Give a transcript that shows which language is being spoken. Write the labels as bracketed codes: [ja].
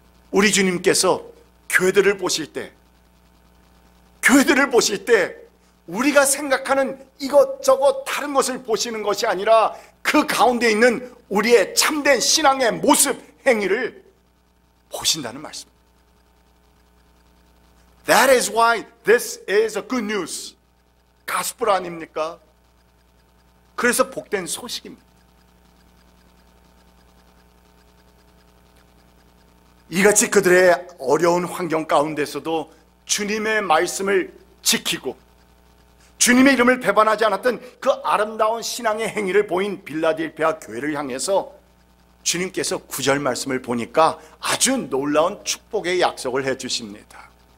[ko] 우리 주님께서 교회들을 보실 때, 교회들을 보실 때 우리가 생각하는 이것저것 다른 것을 보시는 것이 아니라 그 가운데 있는 우리의 참된 신앙의 모습, 행위를 보신다는 말씀입니다. [en] That is why this is a good news. [ko] 가스프라 아닙니까? 그래서 복된 소식입니다. 이같이 그들의 어려운 환경 가운데서도 주님의 말씀을 지키고 주님의 이름을 배반하지 않았던 그 아름다운 신앙의 행위를 보인 빌라델피아 교회를 향해서 주님께서 9절 말씀을 보니까 아주 놀라운 축복의 약속을 해주십니다.